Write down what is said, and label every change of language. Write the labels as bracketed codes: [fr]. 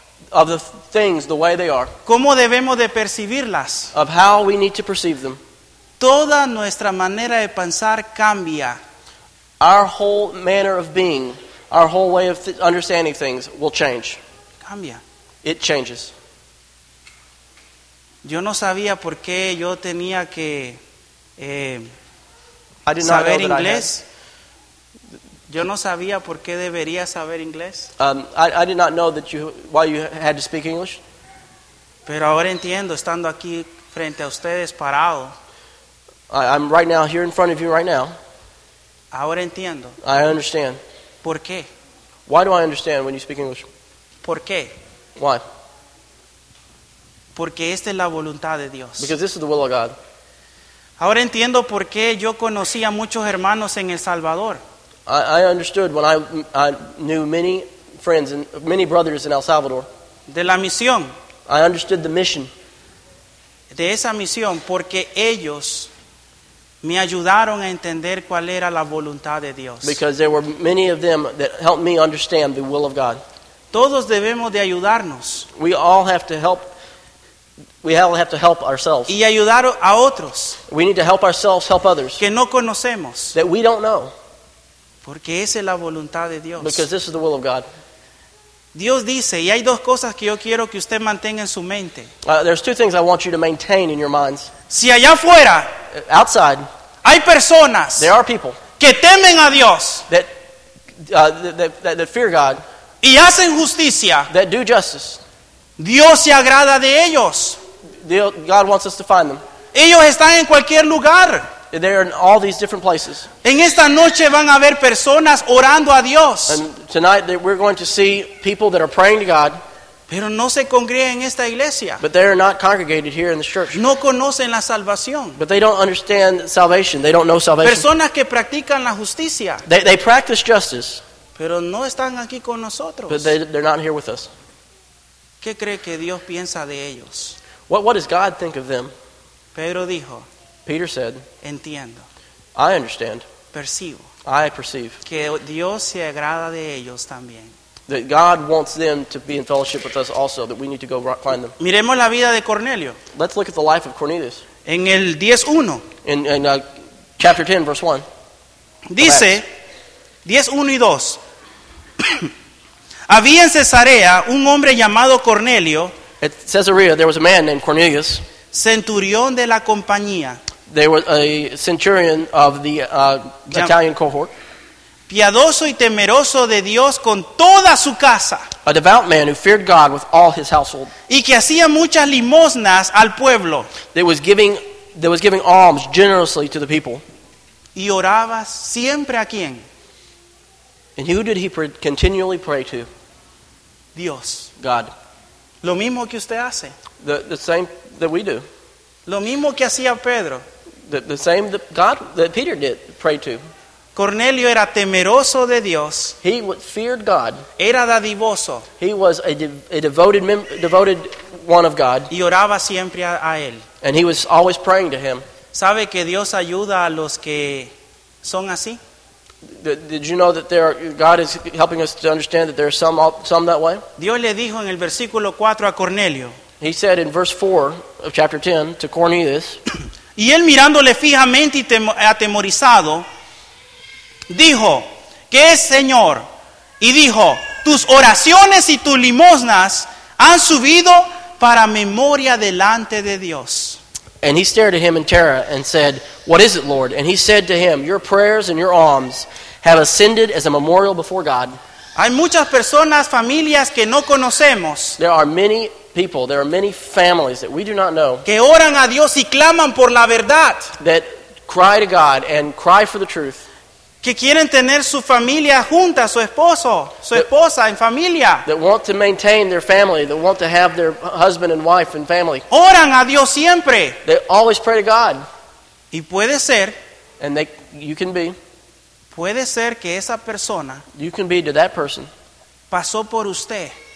[en] Of the things the way they are. [es] Cómo debemos de percibirlas. [en] Of how we need to perceive them. [es] Toda nuestra manera de pensar cambia. [en] Our whole manner of being, our whole way of understanding things will change. [es] Cambia. [en] It changes. [es] Yo no sabía por qué yo tenía que saber inglés. Yo no sabía por qué debería saber inglés. [en] I did not know that why you had to speak English. [es] Pero ahora entiendo, estando aquí frente a ustedes parado. [en] I'm right now here in front of you right now. [es] Ahora entiendo. [en] I understand. [es] ¿Por qué? [en] Why do I understand when you speak English? [es] ¿Por qué? [en] Why? [es] Porque esta es la voluntad de Dios. [en] Because this is the will of God. [es] Ahora entiendo por qué yo conocí a muchos hermanos en El Salvador. [en] I understood when I knew many friends and many brothers in El Salvador. [es] De la misión. [en] I understood the mission. [es] De esa misión, porque ellos me ayudaron a entender cuál era la voluntad de Dios. [en] Because there were many of them that helped me understand the will of God. [es] Todos debemos de ayudarnos. [en] We all have to help. We all have to help ourselves. [es] Y ayudar a otros. [en] We need to help ourselves help others. [es] Que no conocemos. [en] That we don't know. [es] Porque esa es la voluntad de Dios. [en] Because this is the will of God. [es] Dios dice, y hay dos cosas que yo quiero que usted mantenga en su mente. [en] There's two things I want you to maintain in your minds. [es] Si allá afuera, [en] outside, [es] hay personas, [en] there are people, [es] que temen a Dios, [en] that fear God, [es] y hacen justicia, [en] that do justice, [es] Dios se agrada de ellos. [en] God wants us to find them. [es] Ellos están en cualquier lugar. [en] They're in all these different places. [es] En esta noche van a ver personas orando a Dios. [en] And tonight we're going to see people that are praying to God. [es] Pero no se congregan en esta iglesia. [en] But they're not congregated here in this church. [es] No conocen la salvación. [en] But they don't understand salvation. They don't know salvation. [es] Personas que practican la justicia. [en] They practice justice. [es] Pero no están aquí con nosotros. [en] But they're not here with us. [es] ¿Qué cree que Dios piensa de ellos? [en] What does God think of them? [es] Pedro dijo. [en] Peter said, [es] entiendo. [en] I understand. [es] Percibo. [en] I perceive. [es] Que Dios se agrada de ellos también. [en] That God wants them to be in fellowship with us also, that we need to go find them. [es] Miremos la vida de Cornelio. [en] Let's look at the life of Cornelius. [es] En el 10:1. [en] In chapter 10, verse 1. [es] Dice, 10:1-2. Había en Cesarea un hombre llamado Cornelio. [en] At Caesarea, there was a man named Cornelius. [es] Centurión de la compañía. [en] There was a centurion of the Italian cohort. [es] Piadoso y temeroso de Dios con toda su casa. [en] A devout man who feared God with all his household. [es] Y que hacía muchas limosnas al pueblo. [en] That was giving alms generously to the people. [es] Y oraba siempre a quién. [en] And who did he continually pray to? [es] Dios. [en] God. [es] Lo mismo que usted hace. [en] The same that we do. [es] Lo mismo que hacía Pedro. [en] The same that God, that Peter did, pray to. [es] Cornelio era temeroso de Dios. [en] He feared God. [es] Era dadivoso. [en] He was a devoted one of God. [es] Y oraba siempre a él. [en] And he was always praying to him. [es] ¿Sabe que Dios ayuda a los que son así? [en] Did you know that God is helping us to understand that there are some that way? [es] Dios le dijo en el versículo 4 a Cornelio. [en] He said in verse 4 of chapter 10 to Cornelius. [es] Y él mirándole fijamente y atemorizado, dijo, ¿qué es, Señor? Y dijo, tus oraciones y tus limosnas han subido para memoria delante de Dios. [en] And he stared at him in terror and said, what is it, Lord? And he said to him, your prayers and your alms have ascended as a memorial before God. [es] Hay muchas personas, familias que no conocemos. [en] There are many people, there are many families that we do not know. [es] Que oran a Dios y claman por la verdad. [en] That cry to God and cry for the truth. [es] que quieren tener su familia junta, su esposo, su esposa en familia. [en] That want to maintain their family, that want to have their husband and wife and family. [es] Oran a Dios siempre. [en] They always pray to God. [es] Y puede ser. [en] And they, you can be. [es] Puede ser que esa persona. [en] You can be to that person. [es] Pasó por usted.